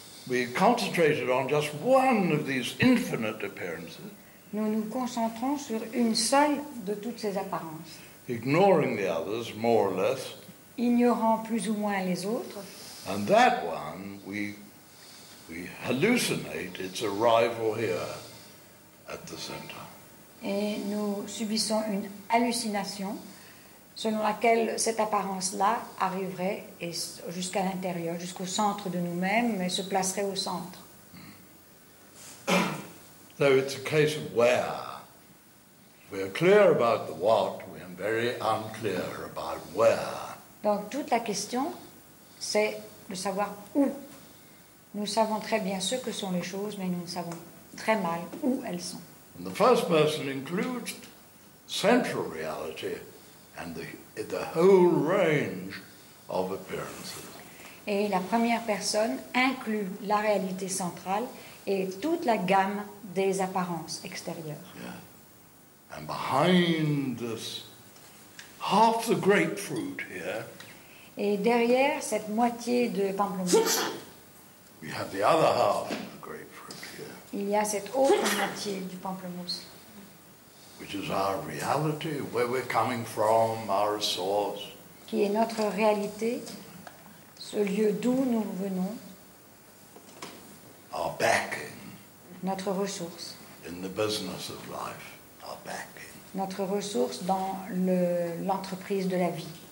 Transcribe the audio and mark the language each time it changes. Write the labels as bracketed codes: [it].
[en] We concentrated on just one of these infinite appearances. [fr] Nous nous concentrons sur une seule de toutes ces apparences. [en] Ignoring the others, more or less. [fr] Ignorant plus ou moins les autres. [en] And that one, we hallucinate its arrival here at the center. [fr] Et nous subissons une hallucination selon laquelle cette apparence-là arriverait et jusqu'à l'intérieur, jusqu'au centre de nous-mêmes, mais se placerait au centre. [en] So it's a case of where. We are clear about the what, we are very unclear about where. [fr] Donc toute la question, c'est de savoir où. Nous savons très bien ce que sont les choses, mais nous savons très mal où elles sont. [en] And the first person includes central reality and the whole range of appearances. [fr] Et la première personne inclut la réalité centrale et toute la gamme des apparences extérieures. [en] Yeah. And behind this half the grapefruit here, [fr] et derrière cette moitié de pamplemousse, [en] we have the other half of the grapefruit here. [fr] Il y a cette autre moitié du pamplemousse. [en] Which is our reality, where we're coming from, our source. [fr] Qui est notre réalité, ce lieu d'où nous venons. [en] Our backing. [fr] Notre ressource. [en] In the business of life, our backing. [fr] Notre ressource dans l'entreprise de la vie.